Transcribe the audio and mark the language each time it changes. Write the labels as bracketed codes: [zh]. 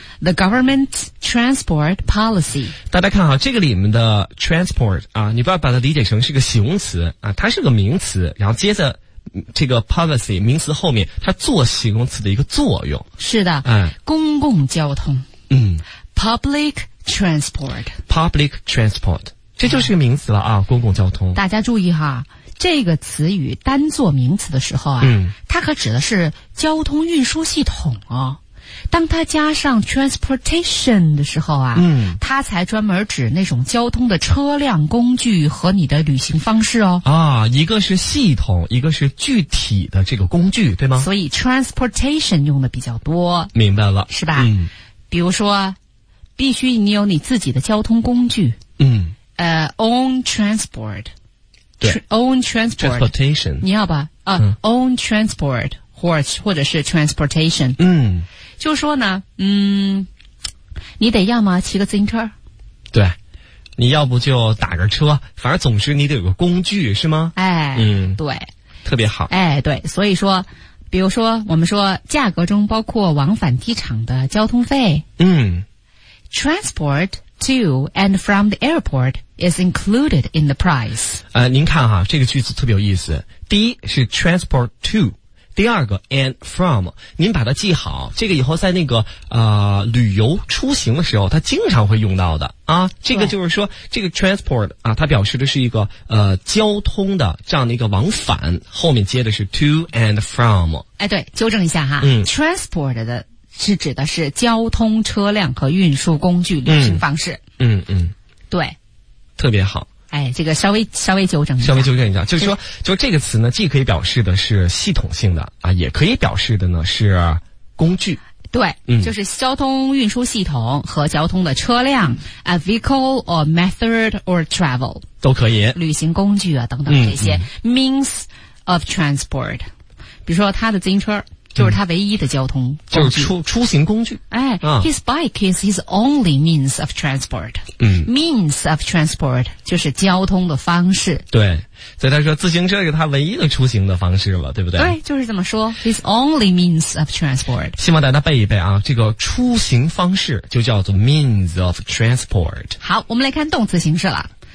[en] The government transport policy. [zh] 大家看啊，这个里面的 transport 啊，你不要把它理解成是个形容词啊，它是个名词，然后接着这个 policy 名词后面，它做形容词的一个作用。是的，公共交通。 [en] Public transport. Public transport. [zh] 这就是个名词了啊，公共交通。大家注意哈。这个词语单做名词的时候啊，它可指的是交通运输系统哦。当它加上 transportation 的时候啊，嗯，它才专门指那种交通的车辆、工具和你的旅行方式哦。啊，一个是系统，一个是具体的这个工具，对吗？所以 transportation 用的比较多。明白了，是吧？嗯，比如说，必须你有你自己的交通工具。嗯， [en] own transport。 Own transportation， [zh] 你要吧？ [en] own transport， 或者是 transportation。 [zh] 嗯，就说呢，嗯，你得要么骑个自行车，对，你要不就打个车，反正总之你得有个工具，是吗？哎，嗯，对，特别好。哎，对，所以说，比如说，我们说价格中包括往返机场的交通费。嗯 [en] ，transport。 To and from the airport is included in the price. [zh] 您看哈，这个句子特别有意思。第一是 transport to， 第二个 and from， 您把它记好，这个以后在那个旅游出行的时候，它经常会用到的啊。这个就是说，这个 transport 啊，它表示的是一个交通的这样的一个往返，后面接的是 to and from。哎，对，纠正一下哈，嗯，transport 的。是指的是交通车辆和运输工具旅行方式。嗯 嗯，对，特别好。哎，这个稍微纠正一下，稍微纠正一下，就是说，就这个词呢，既可以表示的是系统性的啊，也可以表示的呢是工具。对，嗯，就是交通运输系统和交通的车辆 ， [en] a vehicle or method or travel [zh] 都可以，旅行工具啊等等这些 [en] means of transport， [zh] 比如说他的自行车。就是他唯一的交通工具，就是出行工具。哎、啊、，His bike is his only means of transport。嗯， [en] means of transport [zh] 就是交通的方式。对，所以他说自行车是他唯一的出行的方式了，对不对？对，就是这么说。 [en] His only means of transport。 [zh] 希望大家背一背啊，这个出行方式就叫做 means of transport。好，我们来看动词形式了。